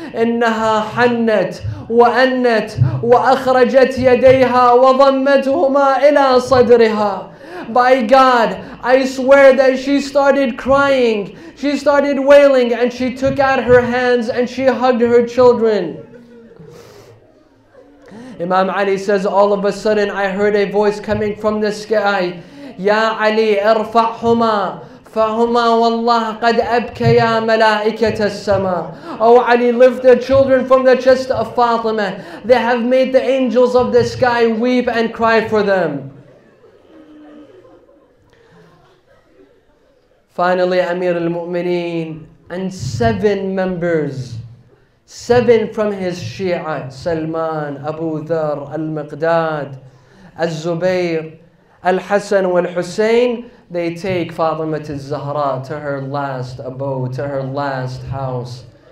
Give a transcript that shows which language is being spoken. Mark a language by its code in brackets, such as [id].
[ar] إنها حنت وأنت وأخرجت يديها وضمتهما إلى صدرها. [en] By God, I swear that she started crying. She started wailing and she took out her hands and she hugged her children. Imam Ali says, all of a sudden I heard a voice coming from the sky. [ar] يا علي ارفعهما فهما والله قد أبكيا ملائكة السماء. [en] Oh Ali, lift the children from the chest of Fatima. They have made the angels of the sky weep and cry for them. Finally, Amir al-Mu'mineen and seven members from his Shia, Salman, Abu Dhar, Al-Miqdad, Al-Zubayr, Al-Hassan, Wal-Hussein, they take Fatima al-Zahra to her last abode, to her last house.